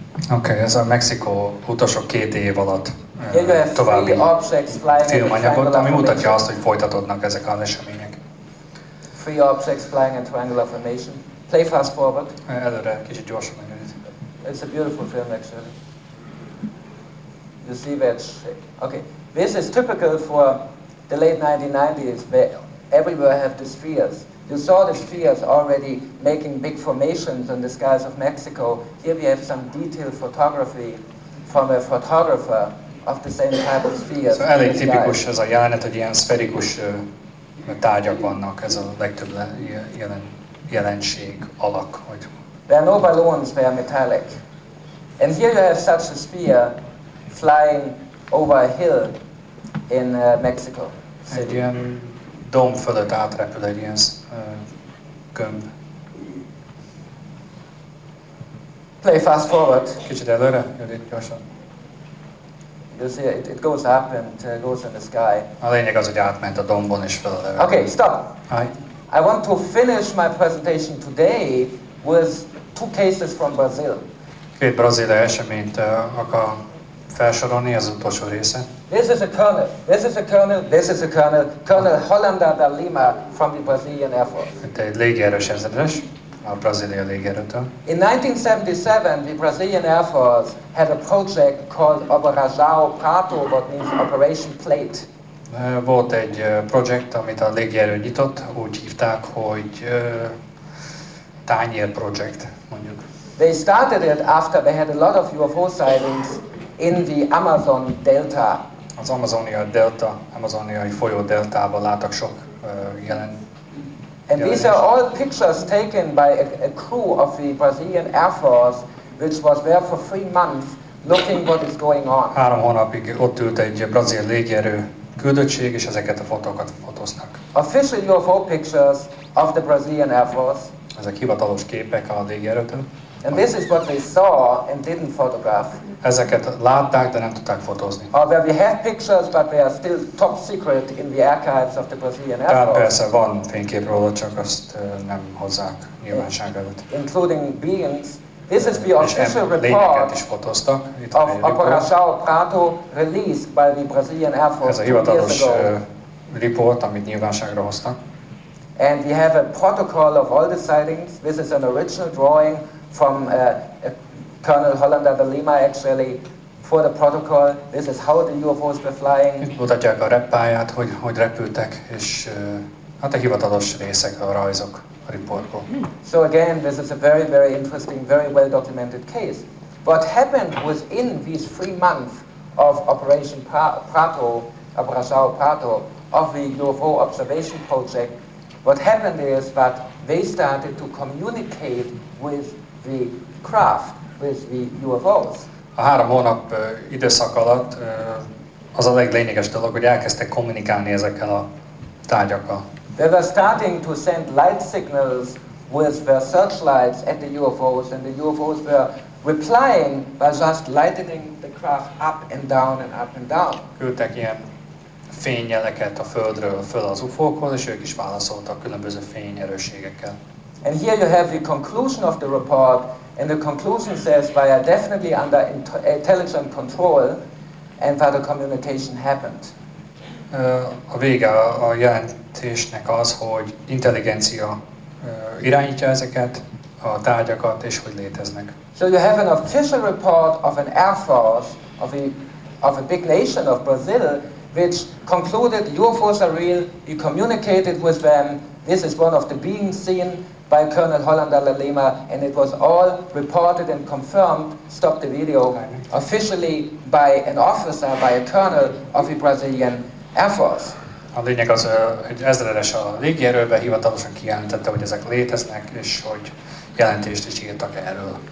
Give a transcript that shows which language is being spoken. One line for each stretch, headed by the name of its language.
Hungarian: Okay, ez a Mexikó utolsó 2 év alatt további filmanyagot, ami mutatja azt, hogy folytatódnak ezek az események.
English: Three objects flying in triangular formation. Play fast forward.
Hungarian: Előre, kicsit gyorsan menjünk.
English: It's a beautiful film, actually. You see that shape. Okay, this is typical for the late 1990s, where everywhere have the spheres. You saw the spheres already making big formations in the skies of Mexico. Here we have some detailed photography from a photographer of the same type of spheres.
Hungarian: So elég tipikus ez a jelenet, hogy ilyen szferikus tárgyak vannak, ez a legtöbb jelenség alak. Hogy
English: there are no balloons, they are metallic. And here you have such a sphere flying over a hill in Mexico City.
Hungarian: Egy ilyen dom fölött átrepül egy ilyen gömb.
English: Play fast forward.
Hungarian: Kicsit előre, jöjjön gyorsan.
English: You see, it goes up and goes in the sky.
Hungarian: A lényeg az, hogy átment a dombon és föl a levegőbe.
English: Okay, stop. Hi. I want to finish my presentation today with two cases from Brazil.
Hungarian: Két brazil eseményt akar felsorolni, ez az utolsó része.
English: This is a colonel, this is a colonel, this is a colonel, Colonel Hollander da Lima from the Brazilian Air Force.
Hungarian: Itt egy légierős ezredes a brazilia légierőtől.
English: In 1977, the Brazilian Air Force had a project called Operação Prato, what means Operation Plate.
Hungarian: Volt egy projekt, amit a légierő nyitott, úgy hívták, hogy tányér project, mondjuk.
English: They started it after they had a lot of UFO sightings in the Amazon Delta.
Hungarian: Az Amazonia Delta, amazoniai folyó deltában láttak sok jelen.
English: And these are all pictures taken by a crew of the Brazilian Air Force, which was there for 3 months looking what is going on.
Hungarian: 3 hónapig ott ült egy brazil légierő küldöttség, és ezeket a fotókat fotóznak.
English: Official UFO pictures of the Brazilian Air Force.
Hungarian: Ezek hivatalos képek a légierőtől.
English: And this is what they saw and didn't photograph.
Hungarian: Ezeket látták, de nem tudták fotózni.
English: Or where we have pictures, but they are still top secret in the archives of the Brazilian Air Force.
Hungarian: Persze van fénykép róla, csak azt nem hozzák nyilvánosság előtt.
English: Including beings. This is the official report
Hungarian: is fotóztak,
English: of Operação Prato released by the Brazilian Air Force.
Hungarian: Ez a hivatalos report, amit nyilvánosságra hoztak.
English: And we have a protocol of all the sightings. This is an original drawing from Colonel Hollander da Lima, actually, for the protocol. This is how the UFOs were flying.
Hungarian: Itt mutatják a reppáját, hogy repültek, és hát a hivatalos részek, a rajzok, a riportból.
English: So again, this is a very, very interesting, very well-documented case. What happened within these 3 months of Operation Prato, Operação Prato, of the UFO observation project, what happened is that they started to communicate with the craft, with the UFOs.
Hungarian: A 3 hónap időszak alatt az a leglényeges dolog, hogy elkezdtek kommunikálni ezekkel a tárgyakkal.
English: They were starting to send light signals with their searchlights at the UFOs, and the UFOs were replying by just lightening the craft up and down and up and down.
Hungarian: Küldtek ilyen fényjeleket a Földről föl az UFO-khoz, és ők is válaszoltak különböző fényerősségekkel.
English: And here you have the conclusion of the report, and the conclusion says we are definitely under intelligent control, and that the communication happened.
Hungarian: A vége a jelentésnek az, hogy intelligencia irányítja ezeket a tárgyakat, és hogy léteznek.
English: So you have an official report of an air force of a big nation of Brazil, which concluded UFOs are real, you communicated with them, this is one of the beings seen by Colonel Hollander da Lima, and it was all reported and confirmed, stop the video, officially by an officer, by a colonel of the Brazilian Air Force.
Hungarian: A lényeg az, hogy ezredes a légierőben hivatalosan kijelentette, hogy ezek léteznek, és hogy jelentést is írtak erről.